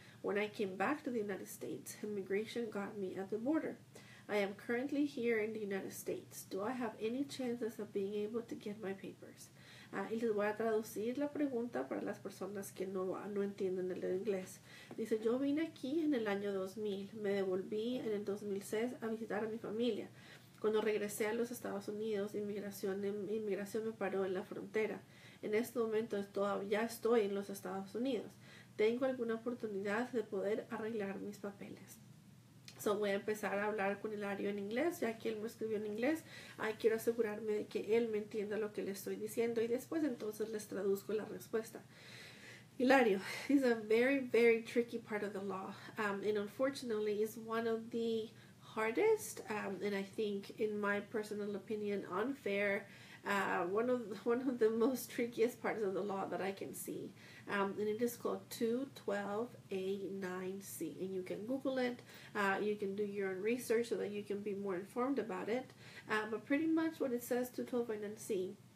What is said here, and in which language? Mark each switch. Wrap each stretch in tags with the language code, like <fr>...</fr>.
<en>When I came back to the United States, immigration got me at the border. I am currently here in the United States. Do I have any chances of being able to get my papers?</en> <es>Y les voy a traducir la pregunta para las personas que no entienden el inglés. Dice, yo vine aquí en el año 2000, me devolví en el 2006 a visitar a mi familia. Cuando regresé a los Estados Unidos, inmigración me paró en la frontera. En este momento ya estoy en los Estados Unidos. ¿Tengo alguna oportunidad de poder arreglar mis papeles? So voy a empezar a hablar con Hilario en inglés, ya que él me escribió en inglés. Quiero asegurarme de que él me entienda lo que le estoy diciendo y después entonces les traduzco la respuesta.</es> <en>Hilario, is a very, very tricky part of the law. And unfortunately, it's one of the hardest, and I think, in my personal opinion, unfair, one of the most trickiest parts of the law that I can see. And it is called 212A9C, and you can Google it, you can do your own research so that you can be more informed about it. But pretty much what it says, 212A9C,</en>